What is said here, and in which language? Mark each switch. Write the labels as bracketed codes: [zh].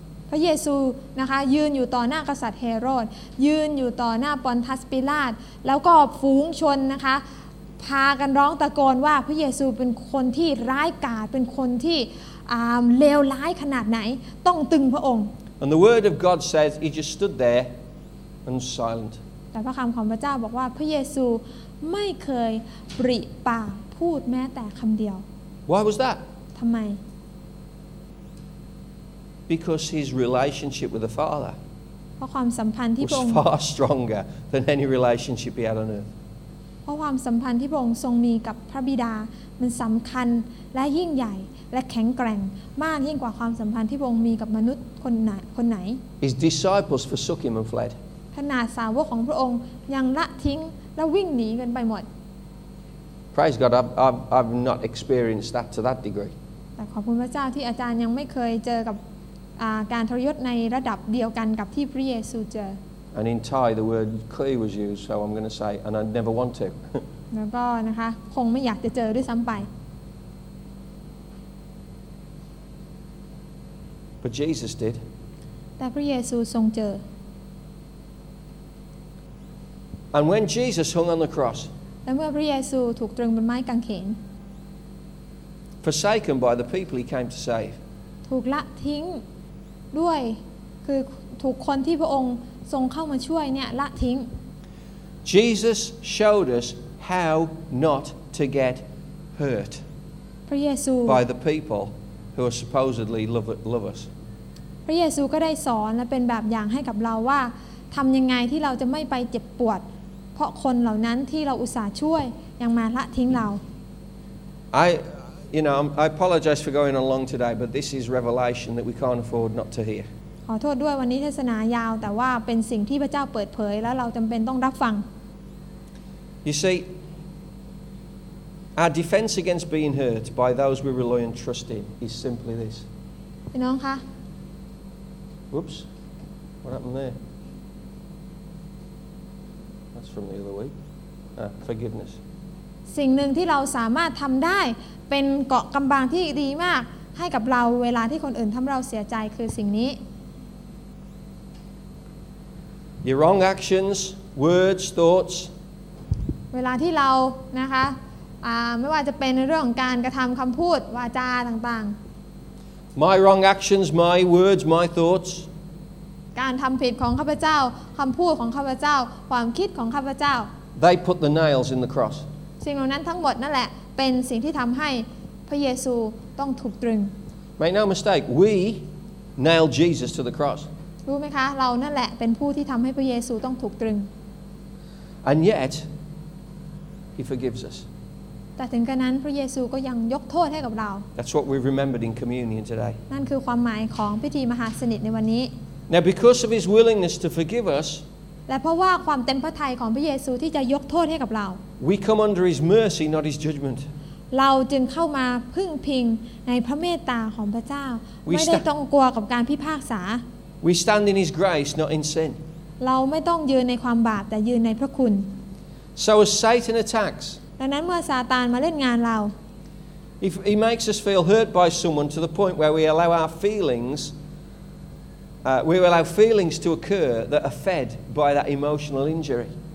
[th] พระเยซูนะคะยืนอยู่ต่อหน้ากษัตริย์เฮโรดยืนอยู่ต่อหน้าปอนทัสปิลาตแล้วก็ฝูงชนนะคะพากันร้องตะโกนว่าพระเยซูเป็นคนที่ร้ายกาจเป็นคนที่เลวร้ายขนาดไหนต้องตึงพระองค์ [en] And the word of God says he just stood there and silent [th] แต่พระคำของพระเจ้าบอกว่าพระเยซูไม่เคยปริปากพูดแม้แต่คำเดียว [en] Why was that [th] ทำไม [en] Because his relationship with the Father [th] เพราะความสัมพันธ์ที่พระองค์ [en] was far stronger than any relationship he had on earth [th] เพราะความสัมพันธ์ที่พระองค์ทรงมีกับพระบิดามันสำคัญและยิ่งใหญ่และแข็งแกร่งมากยิ่งกว่าความสัมพันธ์ที่พระองค์มีกับมนุษย์คนไหน [en] His disciples forsook him and fled [th] ขนาดสาวกของพระองค์ยังละทิ้งและวิ่งหนีกันไปหมด [en] Praise God I've not experienced that to that degree [th] แต่ขอบคุณพระเจ้าที่อาจารย์ยังไม่เคยเจอกับการทรยศในระดับเดียวกันกับที่พระเยซูเจอ [en] And in Thai, the word "clear" was used, so I'm going to say, and I never want to. [th] แล้วก็นะคะคงไม่อยากจะเจอด้วยซ้ำไป [en] But Jesus did. [th] แต่พระเยซูทรงเจอ [en] And when Jesus hung on the cross, [th] และเมื่อพระเยซูถูกตรึงบนไม้กางเขน [en] forsaken by the people he came to save, [th] ถูกละทิ้งด้วยคือถูกคนที่พระองค์ทรงเข้ามาช่วยเนี่ยละทิ้ง [en] Jesus showed us how not to get hurt [th] พระเยซู [en] by the people who are supposedly love us [th] พระเยซูก็ได้สอนและเป็นแบบอย่างให้กับเราว่าทำยังไงที่เราจะไม่ไปเจ็บปวดเพราะคนเหล่านั้นที่เราอุตส่าห์ช่วยยังมาละทิ้งเรา [en] I apologize for going on long today but this is revelation that we can't afford not to hear [th] ขอโทษด้วยวันนี้เทศนายาวแต่ว่าเป็นสิ่งที่พระเจ้าเปิดเผยแล้วเราจำเป็นต้องรับฟัง [en] You see our defense against being hurt by those we rely and trust in is simply this [th] พี่น้องคะ [en] Whoops What happened there That's from the other week forgiveness [th] สิ่งหนึ่งที่เราสามารถทำได้เป็นเกาะกำบังที่ดีมากให้กับเราเวลาที่คนอื่นทำเราเสียใจคือสิ่งนี้ [en] Your wrong actions, words, thoughts. [th] เวลาที่เรานะคะไม่ว่าจะเป็นเรื่องการกระทำคำพูดวาจาต่าง [en] ๆ My wrong actions, my words, my thoughts. [th] การทำผิดของข้าพเจ้าคำพูดของข้าพเจ้าความคิดของข้าพเจ้า [en] They put the nails in the cross. [th] สิ่งเหล่านั้นทั้งหมดนั่นแหละเป็นสิ่งที่ทำให้พระเยซูต้องถูกตรึง [en] Make no mistake, we nailed Jesus to the cross. [th] รู้ไหมคะเรานั่นแหละเป็นผู้ที่ทำให้พระเยซูต้องถูกตรึง [en] And yet he forgives us [th] แต่ถึงกระนั้นพระเยซูก็ยังยกโทษให้กับเรา [en] That's what we've remembered in communion today [th] นั่นคือความหมายของพิธีมหาสนิทในวันนี้ [en] Now because of his willingness to forgive us [th] และเพราะว่าความเต็มพระทัยของพระเยซูที่จะยกโทษให้กับเรา [en] We come under his mercy not his judgment [th] เราจึงเข้ามาพึ่งพิงในพระเมตตาของพระเจ้า ไม่ได้ต้องกลัวกับการพิพากษา [en] We stand in His grace, not in sin. [th] เราไม่ต้องยืนในความบาปแต่ยืนในพระคุณ [en] So as Satan attacks, [th] ดังนั้นเมื่อซาตานมาเล่นงานเรา [en] if he makes us feel hurt by someone to the point where we allow our feelings we allow feelings to occur that are fed by that emotional injury.